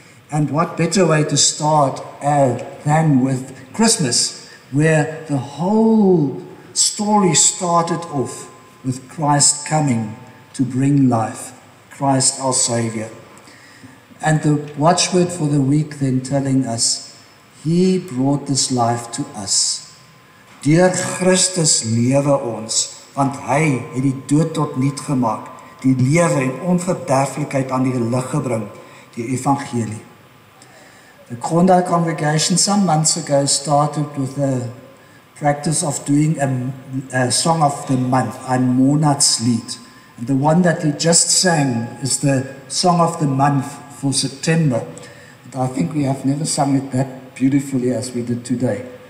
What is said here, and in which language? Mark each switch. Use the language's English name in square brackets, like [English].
[English] And what better way to start than with Christmas, where the whole story started off with Christ coming to bring life, Christ our Savior. And the watchword for the week then telling us, He brought this life to us. [Afrikaans] Deur Christus lewe ons, want Hy het die dood tot niet gemaak, die lewe en onverderflikheid aan die lig gebring, die Evangelie. [English] The Kroondal congregation some months ago started with the practice of doing a song of the month, a Monatslied. And the one that we just sang is the song of the month for September. And I think we have never sung it that beautifully as we did today.